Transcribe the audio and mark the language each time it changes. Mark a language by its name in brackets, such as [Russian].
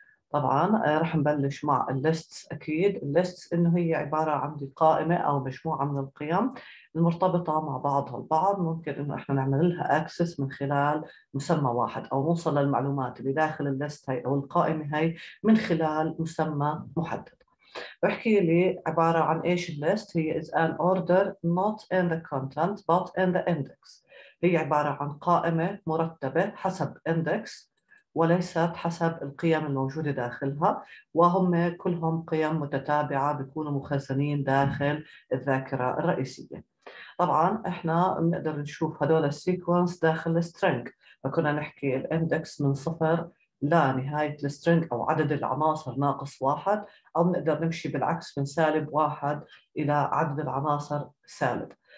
[Arabic] طبعا رح نبلش مع الليستس. اكيد الليستس انه هي عبارة عن قائمة او مجموعة من القيم المرتبطة مع بعضها البعض، ممكن انه احنا نعمل لها اكسس من خلال مسمى واحد او نوصل للمعلومات اللي داخل الليست هاي او القائمة هاي من خلال مسمى محدد. احكي لي عبارة عن ايش الليست؟ هي [English] is an order not in the content but in the index. [Arabic] هي عبارة عن قائمة مرتبة حسب index وليست حسب القيم الموجودة داخلها، وهم كلهم قيم متتابعة بيكونوا مخزنين داخل الذاكرة الرئيسية. طبعا احنا بنقدر نشوف هذول السيكونس داخل السترينج، فكنا نحكي الاندكس من صفر لنهاية السترينج او عدد العناصر ناقص واحد، او بنقدر نمشي بالعكس من سالب واحد الى عدد العناصر سالب.